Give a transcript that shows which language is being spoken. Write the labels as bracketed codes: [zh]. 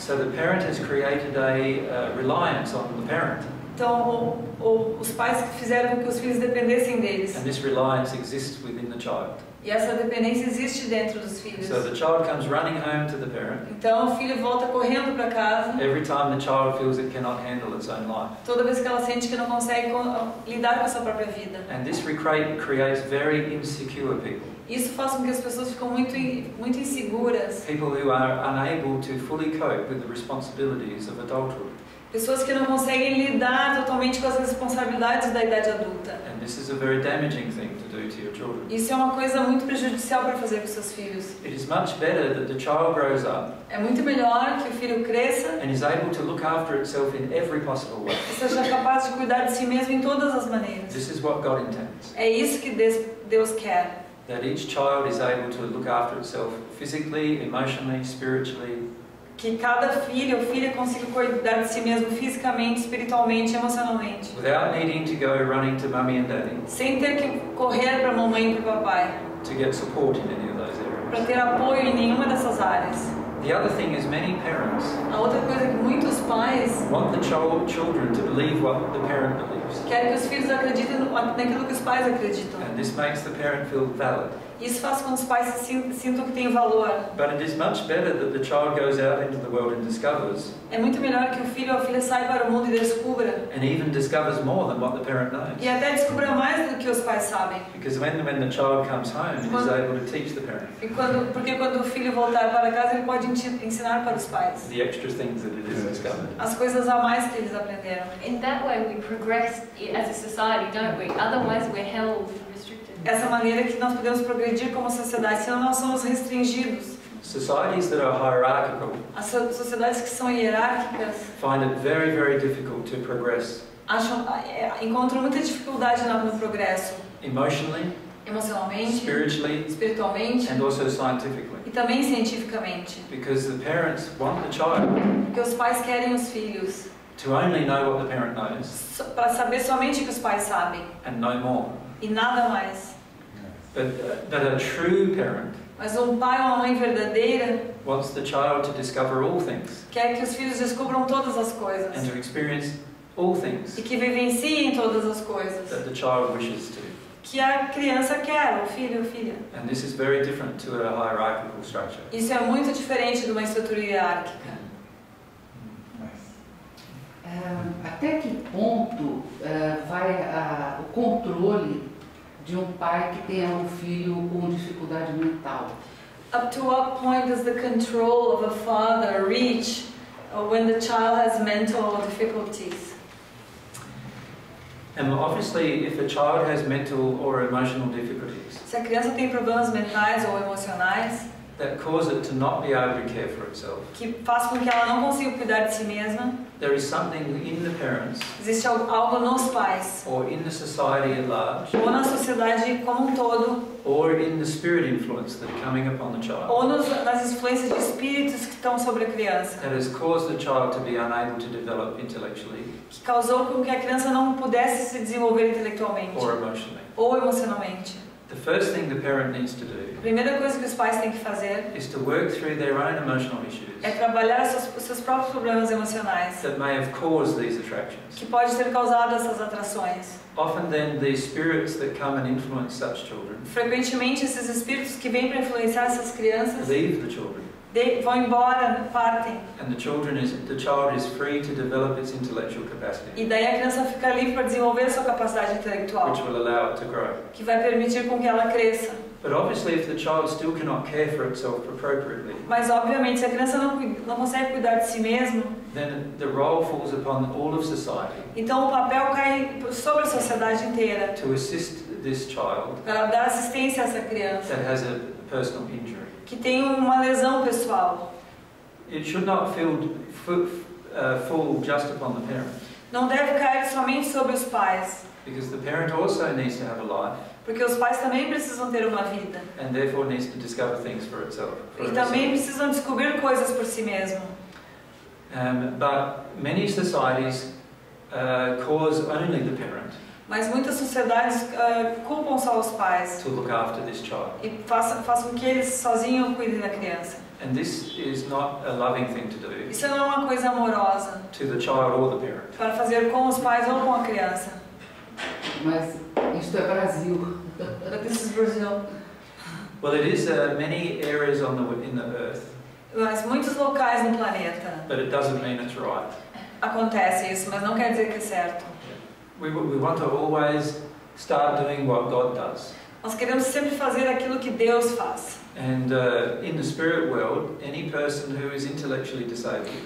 [en] So the parent has created a reliance on the parent. [pt] Então, os pais fizeram com que os filhos dependessem deles. [en] And this reliance exists within the child. [pt] E essa dependência existe dentro dos filhos. [en] So the child comes running home to the parent. [pt] Então o filho volta correndo para casa. [en] Every time the child feels it cannot handle its own life. [pt] Toda vez que ela sente que não consegue lidar com a sua própria vida. [en] And this creates very insecure people. [pt] Isso faz com que as pessoas ficam muito inseguras. [en] People who are unable to fully cope with the responsibilities of adulthood. [pt] Pessoas que não conseguem lidar totalmente com as responsabilidades da idade adulta. [en] And this is a very damaging thing to do to your children. [pt] Isso é uma coisa muito prejudicial para fazer com seus filhos. [en] It is much better that the child grows up. [pt] É muito melhor que o filho cresça. [en] And is able to look after itself in every possible way. [pt] E seja capaz de cuidar de si mesmo em todas as maneiras. [en] This is what God intends. [pt] É isso que Deus quer. [en] That each child is able to look after itself physically, emotionally, spiritually. [pt] Que cada filho ou filha consiga cuidar de si mesmo fisicamente, espiritualmente, emocionalmente. [en] Without needing to go running to mommy and daddy. [pt] Sem ter que correr para mamãe e para papai. [en] To get support in any of those areas. [pt] Para ter apoio em nenhuma dessas áreas. [en] The other thing is many parents. [pt] A outra coisa é que muitos pais. [en] Want the children to believe what the parent believes. [pt] Querem que os filhos acreditem naquilo que os pais acreditam. [en] And this makes the parent feel valid. [pt] Isso faz com que os pais sintam que têm valor. [en] But it is much better that the child goes out into the world and discovers. [pt] É muito melhor que o filho ou a filha saia para o mundo e descubra. [en] And even discovers more than what the parent knows. [pt] E até descubra mais do que os pais sabem. [en] Because when the child comes home, he is able to teach the parent. [pt] Porque quando o filho voltar para casa, ele pode ensinar para os pais. [en] The extra things that it has discovered. [pt] As coisas a mais que eles aprenderam. [en] In that way, we progress as a society, don't we? Otherwise, we're held. [pt] Essa maneira que nós podemos progredir como sociedade, senão nós somos restringidos. [en] Societies that are hierarchical. [pt] As sociedades que são hierárquicas. [en] Find it very, very difficult to progress. [pt] Encontram muita dificuldade no progresso. [en] Emotionally. [pt] Emocionalmente. [en] Spiritually. [pt] Espiritualmente. [en] And also scientifically. [pt] E também cientificamente. [en] Because the parents want the child. [pt] Porque os pais querem os filhos. [en] To only know what the parent knows. [pt] Para saber somente o que os pais sabem. [en] And no more. [pt] E nada mais. [en] But a true parent. [pt] Mas pai ou mãe verdadeira [en] wants the child to discover all things. [pt] Quer que os filhos descubram todas as coisas. [en] And to experience all things. [pt] E que vivenciem todas as coisas. [en] That the child wishes to. [pt] Que a criança quer, o filho ou filha. [en] And this is very different to a hierarchical structure. [pt] Isso é muito diferente de uma estrutura hierárquica. Até que ponto vai o controle de pai que tenha filho com dificuldade mental? [en] Up to what point does the control of a father reach when the child has mental difficulties? And obviously, if a child has mental or emotional difficulties, [pt] se a criança tem problemas mentais ou emocionais, [en] that cause it to not be able to care for itself, [pt] que faz com que ela não consiga cuidar de si mesma, [en] there is something in the parents, [pt] existe algo nos pais, [en] or in the society at large, [pt] ou na sociedade como um todo, [en] or in the spirit influence that are coming upon the child, [pt] ou nas influências de espíritos que estão sobre a criança, [en] that has caused the child to be unable to develop intellectually, [pt] que causou com que a criança não pudesse se desenvolver intelectualmente, [en] or emotionally, [pt] ou emocionalmente. [en] The first thing the parent needs to do, [pt] a primeira coisa que os pais têm que fazer, [en] is to work through their own emotional issues, [pt] é trabalhar seus próprios problemas emocionais, [en] that may have caused these attractions, [pt] que pode ter causado essas atrações. [en] Often then the spirits that come and influence such children, [pt] frequentemente esses espíritos que vêm para influenciar essas crianças, [en] leave the children, [pt] vão embora, partem, [en] and the child is free to develop its intellectual capacity, [pt] e daí a criança fica livre para desenvolver sua capacidade intelectual, [en] which will allow it to grow, [pt] que vai permitir com que ela cresça. [en] But obviously, if the child still cannot care for itself appropriately, [pt] mas obviamente se a criança não consegue cuidar de si mesmo, [en] then the role falls upon all of society, [pt] então o papel cai sobre a sociedade inteira, [en] to assist this child, [pt] para dar assistência a essa criança, [en] that has a personal injury, [pt] que tem uma lesão pessoal. [en] It should not fall just upon the parent. [pt] Não deve cair somente sobre os pais. [en] Because the parent also needs to have a life. [pt] Porque os pais também precisam ter uma vida. [en] And therefore needs to discover things for itself. [pt] E também precisam descobrir coisas por si mesmo. [en] But many societies cause only the parent. [pt] Mas muitas sociedades culpam só os pais. [en] To look after this child. [pt] E façam com que eles sozinhos cuidem da criança. [en] And this is not a loving thing to do. [pt] Isso não é uma coisa amorosa. [en] To the child or the parent. [pt] Para fazer com os pais ou com a criança. Mas isto é Brasil. [en] But this is Brazil. Well, it is many areas in the earth. [pt] Mas muitos locais no planeta. [en] But it doesn't mean it's right. [pt] Acontece isso, mas não quer dizer que é certo. [en] We want to always start doing what God does. [pt] Nós queremos sempre fazer aquilo que Deus faz. [en] And in the spirit world, any person who is intellectually disabled,